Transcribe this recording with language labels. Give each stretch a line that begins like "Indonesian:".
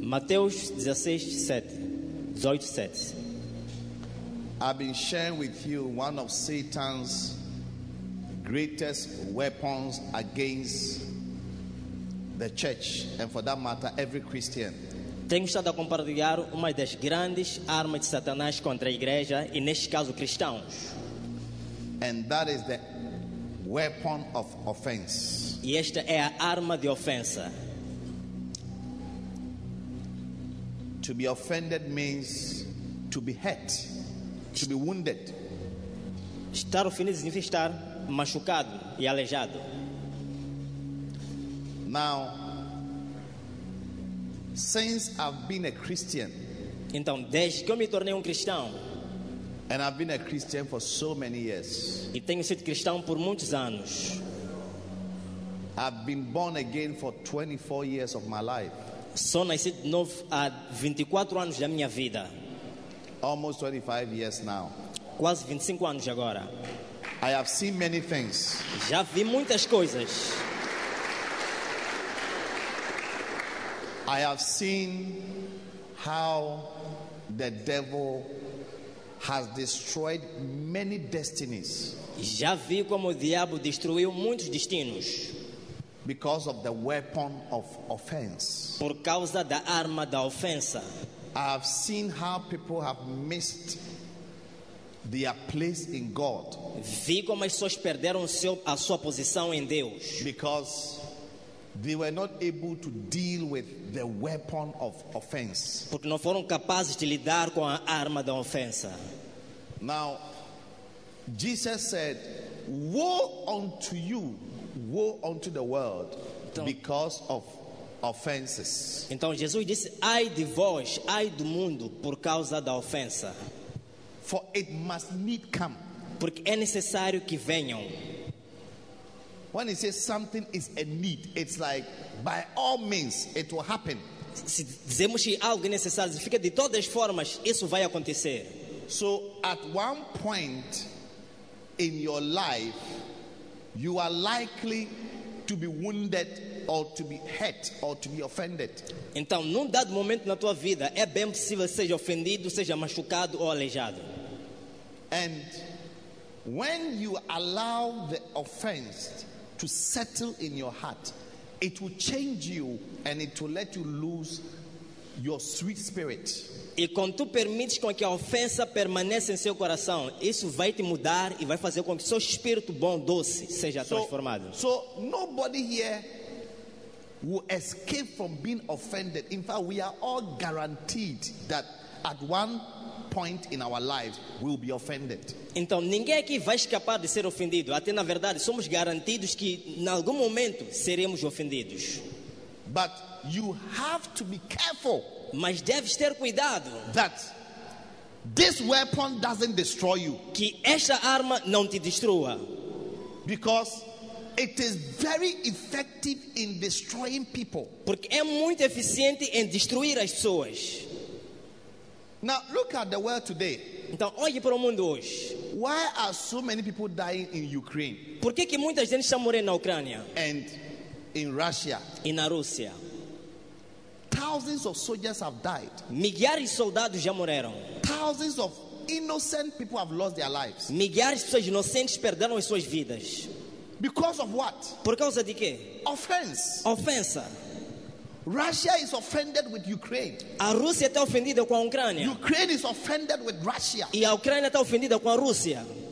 Portuguese: Mateus 16:7.
English: I've been sharing with you one of Satan's greatest weapons against the church, and for that matter, every Christian.
Portuguese: Tenho estado a compartilhar uma das grandes armas de Satanás contra a igreja e, neste caso, cristãos.
English: And that is the weapon of offense.
Portuguese: E esta é a arma de ofensa.
English: To be offended means to be hurt, to be wounded.
Portuguese: Estar ofendido significa estar machucado e aleijado.
English: Now, since I've been a Christian,
Portuguese: então, desde que eu me tornei cristão,
English: and I've been a Christian for so many years,
Portuguese: e tenho sido cristão por muitos anos,
English: I've been born again for 24 years of my life.
Portuguese: Sou nascido de novo há 24 anos da minha vida.
English: Almost 25 years now.
Portuguese: Quase 25 anos agora.
English: I have seen many things.
Portuguese: Já vi muitas coisas.
English: I have seen how the devil has destroyed many destinies.
Portuguese: Já vi como o diabo destruiu muitos destinos.
English: Because of the weapon of offense.
Portuguese: Por causa da arma da ofensa.
English: I have seen how people have missed their place in God.
Portuguese: Vi como as pessoas perderam a sua posição em Deus.
English: Because they were not able to deal with the weapon of offense.
Portuguese: Porque não foram capazes de lidar com a arma da ofensa.
English: Now, Jesus said, "Woe unto you, woe unto the world, então, because of offenses."
Portuguese: Então Jesus disse: "Ai de vós, ai do mundo, por causa da ofensa."
English: For it must need come.
Portuguese: Porque é necessário que venham.
English: When he says something is a need, it's like by all means it will happen.
Portuguese: Se dizemos que algo é necessário, fica de todas formas, isso vai acontecer.
English: So at one point in your life, you are likely to be wounded or to be hurt or to be offended.
Portuguese: Então, num dado momento na tua vida, é bem possível que seja ofendido, seja machucado ou aleijado.
English: And when you allow the offense to settle in your heart, it will change you and it will let you lose your sweet spirit.
Portuguese: E quando tu permites com que a ofensa permaneça em seu coração, isso vai te mudar e vai fazer com que seu espírito bom, doce, seja transformado.
English: So nobody here will escape from being offended. In fact, we are all guaranteed that at one point in our lives we'll be offended.
Portuguese: Então ninguém aqui vai escapar de ser ofendido. Até na verdade somos garantidos que em algum momento seremos ofendidos.
English: But you have to be careful.
Portuguese: Mas deves ter cuidado.
English: That This weapon doesn't destroy you.
Portuguese: Que esta arma não te destrua.
English: Because it is very effective in destroying people.
Portuguese: Porque é muito eficiente em destruir as pessoas.
English: Now look at the world today.
Portuguese: Então olhe para o mundo hoje.
English: Why are so many people dying in Ukraine?
Portuguese: Por que muita gente está morrendo na Ucrânia?
English: And in Russia.
Portuguese: E na Rússia.
English: Thousands of soldiers have died.
Portuguese: Milhares de soldados já morreram.
English: Thousands of innocent people have lost their lives.
Portuguese: Milhares de pessoas inocentes perderam as suas vidas.
English: Because of what?
Portuguese: Por causa de quê?
English: Offense.
Portuguese: Ofensa.
English: Russia is offended with Ukraine.
Portuguese: A Rússia está ofendida com a Ucrânia.
English: Ukraine is offended with Russia.
Portuguese: E a Ucrânia está ofendida com a Rússia.